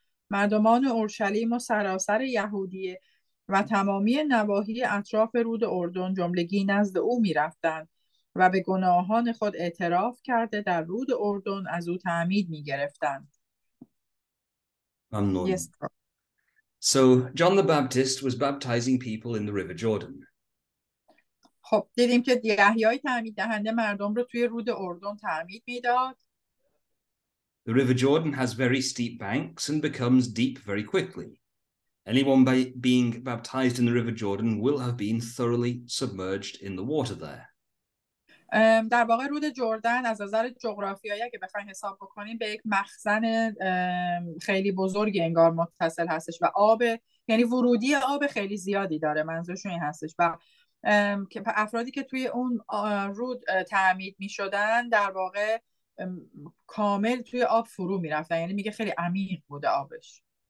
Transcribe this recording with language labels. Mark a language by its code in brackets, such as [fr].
[fa] مردمان اورشلیم و سراسر یهودیه و تمامی نواحی اطراف رود اردن جملگی نزد او می رفتند و به گناهان خود اعتراف کرده در رود اردن از او تعمید می گرفتند. ممنون. [en] Yes. So John the Baptist was baptizing people in the River Jordan. [fa] خب دیدیم که یحیای تعمید دهنده مردم رو توی رود اردن تعمید میداد. [en] The River Jordan has very steep banks and becomes deep very quickly. Anyone by being baptized in the River Jordan will have been thoroughly submerged in the water there. [fa] در واقع رود جردن از نظر جغرافیایی اگه بخوایم حساب بکنیم به یک مخزن خیلی بزرگ انگار متصل هستش و آب یعنی ورودی آب خیلی زیادی داره منظورشون این هستش و که افرادی که توی اون رود تعمید می شدن در واقع کامل توی آب فرو می رفتن یعنی میگه خیلی عمیق بوده آبش.